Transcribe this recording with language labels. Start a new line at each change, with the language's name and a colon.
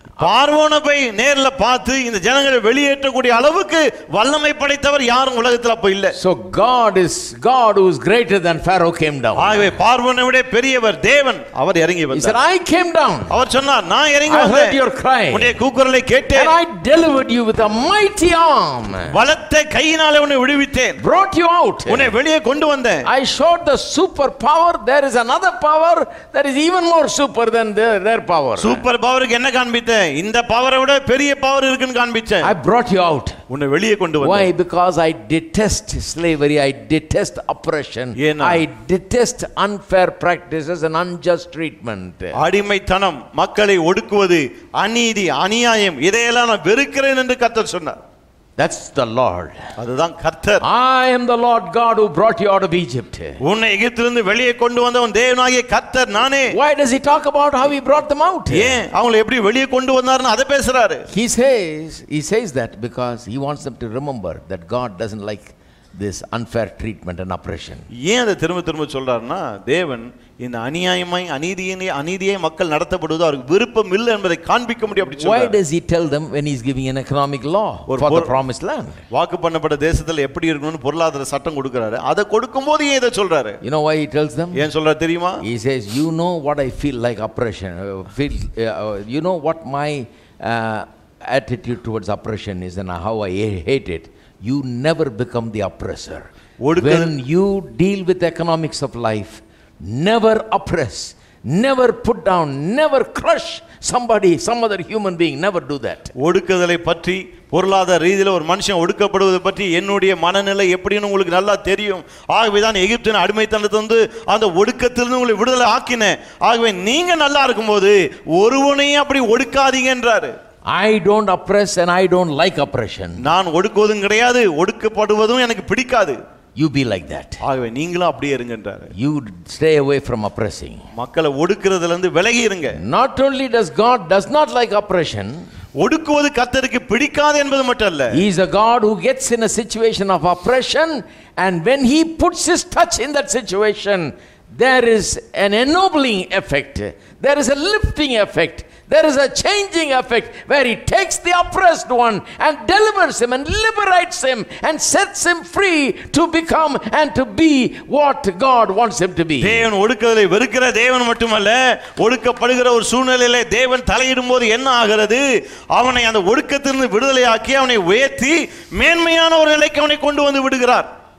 Tamil: பார்வோனை போய் நேர்ல பார்த்து இந்த ஜனங்களை வெளியேற்ற கூடிய அளவுக்கு வல்லமை படைத்தவர் யாரும் உலகத்துல போய் இல்ல.
English: So God is God who is greater than Pharaoh came down.
Tamil: ஆகவே பார்வோனை விட பெரியவர் தேவன், அவர் இறங்கி வந்தார்.
English: He said, I came down.
Tamil: அவர் சொன்னார், நான் இறங்கி வந்தேன்.
English: I heard your cry.
Tamil: உன்னுடைய கூக்குரலை கேட்டேன்.
English: And I delivered you with a mighty arm.
Tamil: பலத்த கையினால உன்னை விடுவித்தேன்.
English: Brought you out.
Tamil: உன்னை வெளியே கொண்டு வந்தேன்.
English: I showed the super power. There is another power that is even more super than their power.
Tamil: Super பவருக்கு என்ன காண்பித்தேன்? இந்த பவரை விட பெரிய பவர் இருக்குன்னு காண்பிச்சேன்.
English: I brought you out.
Tamil: உன்னை வெளியே கொண்டு வந்தேன்.
English: Why? Because I detest slavery. I detest oppression.
Tamil: ஏனா?
English: I detest unfair practices and unjust treatment.
Tamil: அடிமைத்தனம், மக்களை ஒடுக்குவது, அநீதி, அநியாயம், இதையெல்லாம் நான் வெறுக்கிறேன் என்று கர்த்தர் சொன்னார்.
English: That's the Lord.
Tamil: அதுதான் கர்த்தர்.
English: I am the Lord God who brought you out of Egypt.
Tamil: உன்னை எகிப்திலிருந்து வெளியே கொண்டு வந்தவன் தேவனாகிய கர்த்தர் நானே.
English: Why does he talk about how he brought them out?
Tamil: ஏன் அவங்களை எப்படி வெளியே கொண்டு வந்தார்னு அதை பேசுறாரு.
English: He says that because he wants them to remember that God doesn't like this unfair treatment and oppression.
Tamil: ஏன் அதை திரும்ப திரும்ப சொல்றார்னா, தேவன் இந்த அநியாயமாய் அநீதியை மக்கள் நடத்தப்படுவது அவருக்கு விருப்பம் இல்லை என்பதை காண்பிக்க முடியும் அப்படி சொல்றார்.
English: Why does he tell them when he's giving an economic law for the promised land?
Tamil: வாக்கு பண்ணப்பட்ட தேசத்துல எப்படி இருக்கணும்னு பொருளாதார சட்டம் கொடுக்கறாரு. அத கொடுக்கும்போது ஏன் இதை சொல்றாரு?
English: You know why he tells them?
Tamil: ஏன் சொல்றாரு தெரியுமா?
English: He says, you know what I feel like oppression. You know what my attitude towards oppression is and how I hate it. You never become the oppressor. When you deal with the economics of life, never oppress, never put down, never crush somebody, some other human being, never do that.
Tamil: ஒடுக்குதலை பற்றி, பொருளாதார ரீதியில் ஒரு மனுஷன் ஒடுக்கப்படுவதை பற்றி என்னுடைய மனநிலை எப்படின்னு உங்களுக்கு நல்லா தெரியும். ஆகவே தான் எகிப்தின் அடிமைத்தனத்தை வந்து அந்த ஒடுக்கத்திலிருந்து உங்களை விடுதலை ஆக்கினேன். ஆகவே நீங்க நல்லா இருக்கும்போது ஒருவனையும் அப்படி ஒடுக்காதீங்க என்றாரு.
English: I don't oppress and I don't like oppression.
Tamil: நான் ஒடுக்குவதும் கிடையாது, ஒடுக்கப்படுவதும் எனக்கு பிடிக்காது.
English: You be like that.
Tamil: ஆகவே நீங்களும் அப்படியே இருங்கன்றார்.
English: You stay away from oppressing.
Tamil: மக்களை ஒடுக்குறதுல இருந்து விலகி இருங்க.
English: Not only does God does not like oppression.
Tamil: ஒடுக்குவது கர்த்தருக்கு பிடிக்காது என்பது மட்டுமல்ல.
English: He is a God who gets in a situation of oppression and when he puts his touch in that situation, there is an ennobling effect. There is a lifting effect. There is a changing effect where he takes the oppressed one and delivers him and liberates him and sets him free to become and to be what God wants him to be.
Tamil: தேவன் ஒடுக்குதலை வெறுக்கிற தேவன் மட்டுமல்ல, ஒடுக்கப்படுகிற ஒரு சூழ்நிலையிலே தேவன் தலையிடும் போது என்ன ஆகிறது? அவனை அந்த ஒடுக்கத்திலிருந்து விடுதலை ஆக்கி அவனை உயர்த்தி மேன்மையான ஒரு நிலைக்கு அவனை கொண்டு வந்து விடுகிறார்.